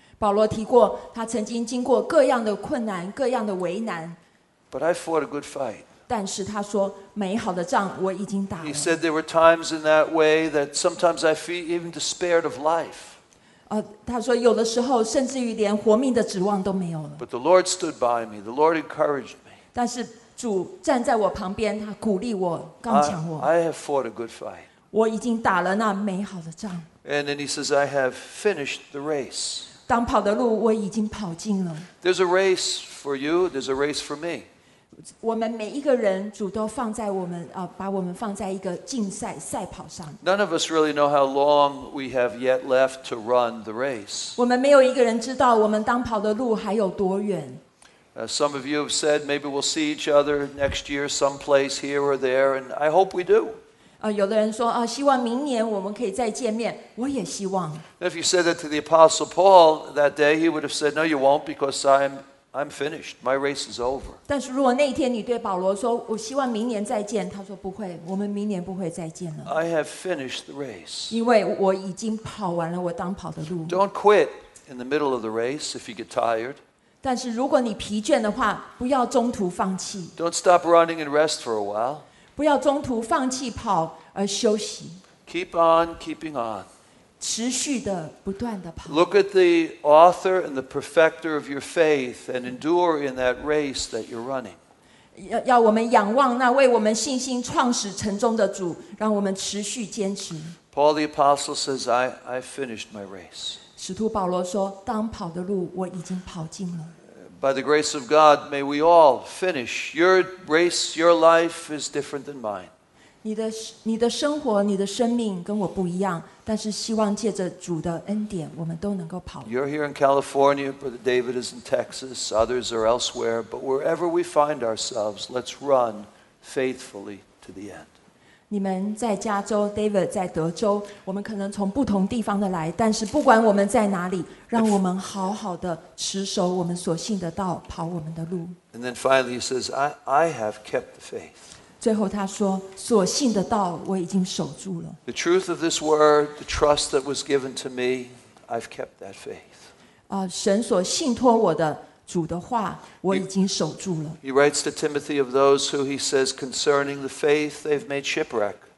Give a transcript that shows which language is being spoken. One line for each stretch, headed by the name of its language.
Chinese: 保罗提过，他曾经经过各样的困难，各样的为难。
English: But I fought a good fight.
Chinese: 但是他说，美好的仗我已经打了。
English: He said there were times in that way that sometimes I feel even despaired of life.
Chinese: 他说有的时候甚至于连活命的指望都没有了。
English: But the Lord stood by me. The Lord encouraged me.
Chinese: 但是主站在我旁边，他鼓励我，刚强我。
English: I have fought a good fight.
Chinese: 我已经打了那美好的仗。
English: And then he says, I have finished the race.
Chinese: 当跑的路我已经跑尽了。
English: There's a race for you. There's a race for me.
Chinese: 我们每一个人主都放在我们、把我们放在一个竞赛赛跑上。
English: None of us really know how long we have yet left to run the race.
Chinese: 我们没有一个人知道我们当跑的路还有多远。
English: Some of you have said maybe we'll see each other next year someplace here or there, and I hope we do.
Chinese: 有的人说、希望明年我们可以再见面，我也希望。
English: If you said that to the Apostle Paul that day, he would have said, no, you won't, because I'm finished. My race is over.
Chinese: 但是如果那天你对保罗说，我希望明年再见，他说不会，我们明年不会再见了。
English: I have finished the race.
Chinese: 因为我已经跑完了我当跑的路。
English: Don't quit in the middle of the race if you get tired.
Chinese: 但是如果你疲倦的话，不要中途放弃。
English: Don't stop running and rest for a while.
Chinese: 不要中途放弃跑而休息。
English: Keep on keeping on.
Chinese: 持续的不断的跑。
English: Look at the author and the perfecter of your faith and endure in that race that you're running.
Chinese: 要我们仰望那为我们信心创始成终的主，让我们持续坚持。
English: Paul the apostle says, I finished my race.
Chinese: 使徒保罗说，当跑的路我已经跑尽了。
English: By the grace of God, may we all finish. Your race, your life is different than mine.
Chinese: 你的生活，你的生命跟我不一样，但是希望借着主的恩典，我们都能够跑。
English: You're here in California, Brother David is in Texas, others are elsewhere, but wherever we find ourselves, let's run faithfully to the end.
Chinese: 你们在加州 ，David 在德州，我们可能从不同地方的来，但是不管我们在哪里，让我们好好的持守我们所信的道，跑我们的路。
English: And then finally, he says, I have kept the faith.
Chinese: 最后他说，所信的道我已经守住了。
English: The truth of this word, the trust that was given to me, I've kept that faith.
Chinese: 神所信托我的主的话我已经守住了。
English: He writes to Timothy of those who he says concerning the faith, they've made shipwreck.